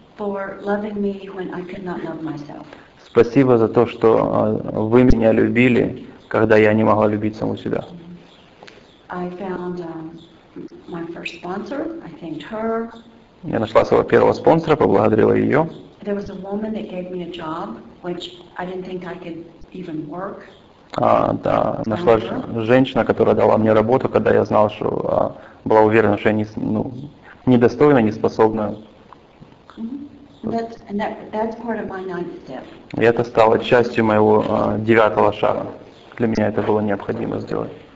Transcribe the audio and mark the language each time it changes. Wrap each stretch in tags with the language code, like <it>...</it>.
<en>For loving me when I could not love myself.</en> <ru>Спасибо за то, что вы меня любили, когда я не могла любить саму себя.</ru> <en>I found my first sponsor. I thanked her.</en> <ru>Я нашла своего первого спонсора, поблагодарила ее.</ru> <en>There was a woman that gave me a job, which I didn't think I could even work.</en> <ru>Да, нашла женщина, которая дала мне работу, когда я знала, что была уверена, что я недостойна, не способна.</ru> <en>That's part of my ninth step.</en> <ru>И это стало частью моего девятого шага. Для меня это было необходимо сделать.</ru>